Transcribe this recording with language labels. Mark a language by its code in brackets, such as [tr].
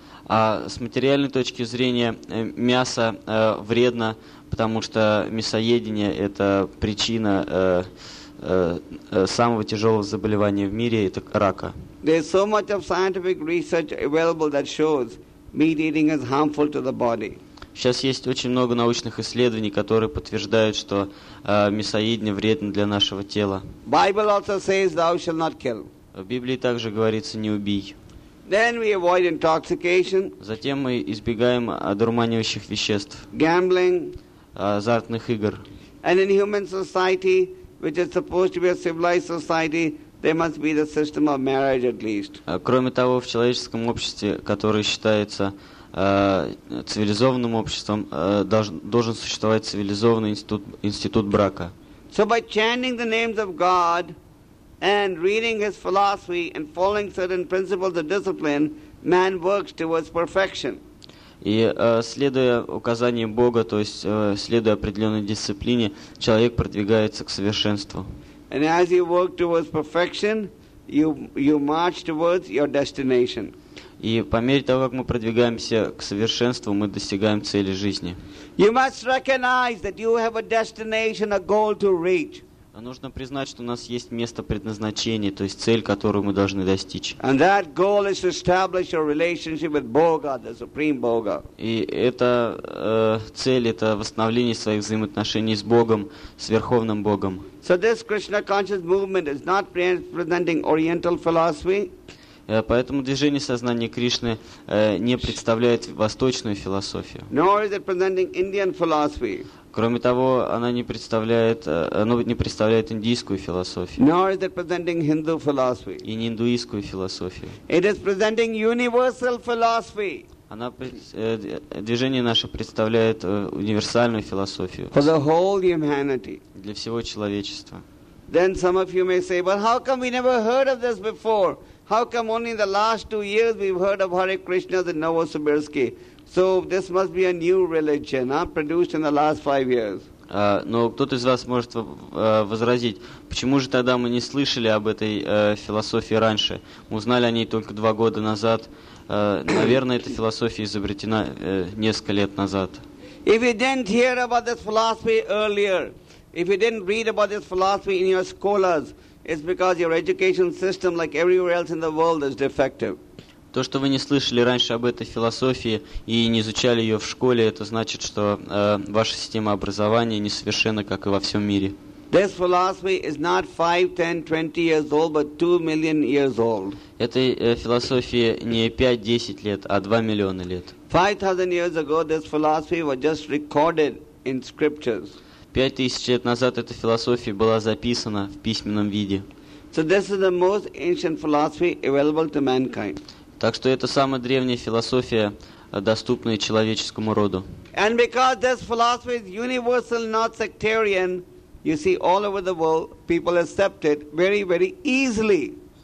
[ru] С материальной точки зрения мясо вредно, потому что мясоедение – это причина самого тяжелого заболевания в мире – это рака. [en] There's so much of scientific research available that shows meat eating is harmful to the body. [ru] Сейчас есть очень много научных исследований, которые подтверждают, что мясоедение вредно для нашего тела. [en] Bible also says, "Thou shall not kill." [ru] В Библии также говорится «не убий». [en] Then we avoid intoxication. [ru] Затем мы избегаем одурманивающих веществ. [en] Gambling. [ru] Азартных игр. [en] And in human society, which is supposed to be a civilized society, there must be the system of marriage at least. [ru] Кроме того, в человеческом обществе, которое считается цивилизованным обществом, должен существовать цивилизованный институт брака. [en] So by chanting the names of God and reading his philosophy and following certain principles of discipline, man works towards perfection. [ru] И следуя указаниям Бога, то есть следуя определенной дисциплине, человек продвигается к совершенству. [en] And as you work towards perfection, you march towards your destination. [ru] И по мере того, как мы продвигаемся к совершенству, мы достигаем цели жизни. [en] You must recognize that you have a destination, a goal to reach. [ru] Нужно признать, что у нас есть место предназначения, то есть цель, которую мы должны достичь. [en] And that goal is to establish your relationship with Boga, the Supreme Boga. [ru] И эта цель – это восстановление своих взаимоотношений с Богом, с Верховным Богом. [en] So this Krishna conscious movement is not presenting Oriental philosophy. [ru] Поэтому движение сознания Кришны не представляет восточную философию. [en] Nor is it presenting Indian philosophy. [ru] Кроме того, оно не представляет индийскую философию. [en] Nor is it presenting Hindu philosophy. [ru] И не индуистскую философию. [en] It is presenting universal philosophy. [ru] Движение наше представляет универсальную философию. [en] For the whole humanity. [ru] Для всего человечества. [en] Then some of you may say, "But how come we never heard of this before? How come only in the last 2 years we've heard of Hare Krishna and Novosibirsk? So this must be a new religion, produced in the last 5 years." [ru] Но кто-то из вас может возразить, почему же тогда мы не слышали об этой философии раньше? Мы узнали о ней только 2 года назад. Наверное, эта философия изобретена несколько лет назад. [en] If you didn't hear about this philosophy earlier, if you didn't read about this philosophy in your scholars, it's because your education system, like everywhere else in the world, is defective. [ru] То, что вы не слышали раньше об этой философии и не изучали ее в школе, это значит, что ваша система образования несовершенна, как и во всем мире. [en] This philosophy is not 5, 10, 20 years old, but 2 million years old. [ru] Этой философии не 5-10 лет, а 2 миллиона лет. [en] 5,000 years ago, this philosophy was just recorded in scriptures. [ru] 5,000 лет назад эта философия была записана в письменном виде. [en] So this is the most ancient philosophy available to mankind. [ru] Так что это самая древняя философия, доступная человеческому роду. [en] And because this philosophy is universal, not sectarian, you see, all over the world, people accept it very, very easily.